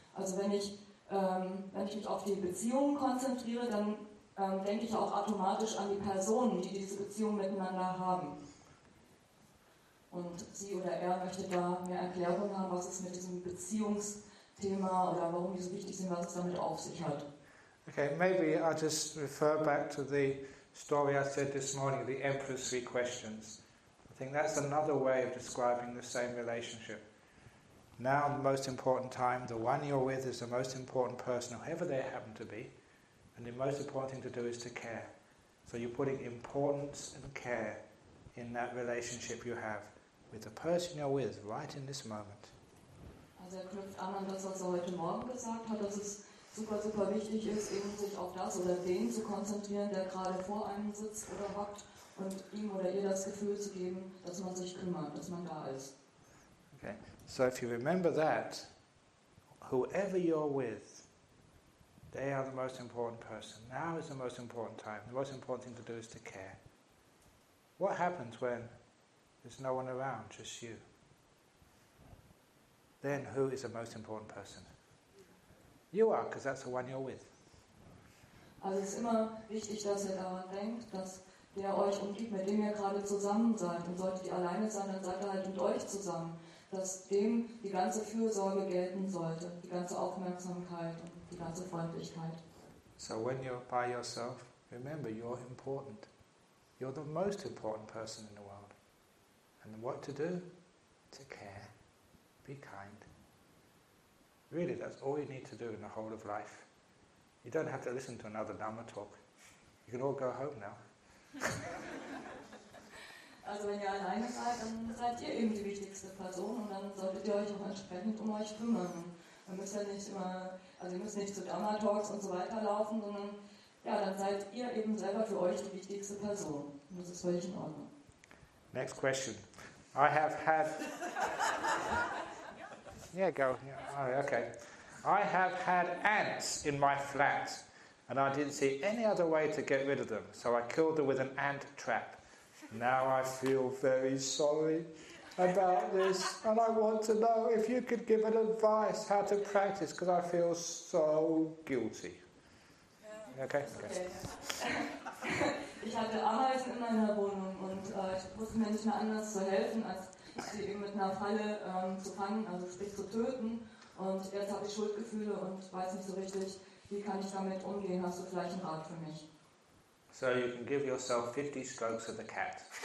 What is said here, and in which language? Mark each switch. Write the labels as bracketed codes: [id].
[de] Also wenn ich mich auf die Beziehungen konzentriere, dann denke ich auch automatisch an die Personen, die diese Beziehung miteinander haben. Und sie oder er möchte da mehr Erklärung haben, was es mit diesem Beziehungsthema oder warum die so wichtig sind, was es damit auf sich hat. [en] Okay, maybe I'll just refer back to the story I said this morning, the Emperor's Three Questions. I think that's another way of describing the same relationship. Now, the most important time, the one you're with is the most important person, whoever they happen to be, and the most important thing to do is to care. So you're putting importance and care in that relationship you have with the person you're with right in this moment. [de] Also er knüpft an das, was er heute Morgen gesagt hat, dass es super, super wichtig ist, eben sich auf das oder den zu konzentrieren, der gerade vor einem sitzt oder hockt, und ihm oder ihr das Gefühl zu geben, dass man sich kümmert, dass man da ist. [en] Okay, so if you remember that, whoever you're with, they are the most important person. Now is the most important time. The most important thing to do is to care. What happens when there's no one around, just you? Then who is the most important person? You are, because that's the one you're with. [de] Also es ist immer wichtig, dass ihr daran denkt, dass der euch umgibt, mit dem ihr gerade zusammen seid. Und solltet ihr alleine sein, dann seid ihr halt mit euch zusammen. Dass dem die ganze Fürsorge gelten sollte, die ganze Aufmerksamkeit und die ganze Freundlichkeit. [en] So when you're by yourself, remember, you're important. You're the most important person in the world. And what to do? To care. Be kind. Really, that's all you need to do in the whole of life. You don't have to listen to another Dhamma talk. You can all go home now. [de] Also wenn ihr alleine seid, dann seid ihr eben die wichtigste Person und dann solltet ihr euch auch entsprechend um euch kümmern. Ihr müsst ja nicht immer, also ihr müsst nicht zu Dhamma-Talks und so weiter laufen, sondern ja, dann seid ihr eben selber für euch die wichtigste Person. Und das ist völlig in Ordnung. [en] Next question. I have had. Yeah, go. Yeah. Okay. I have had ants in my flat. And I didn't see any other way to get rid of them, so I killed them with an ant trap. Now I feel very sorry about this, and I want to know if you could give an advice how to practice, because I feel so guilty. Yeah. Okay. [de] ich hatte Ameisen in meiner Wohnung und ich wusste mir nicht mehr anders zu helfen, als sie mit einer Falle zu fangen, also sprich zu töten. Und jetzt habe ich Schuldgefühle und weiß nicht so richtig, wie kann ich damit umgehen. Hast du vielleicht einen Rat für mich? [en] So you can give yourself 50 strokes of the cat.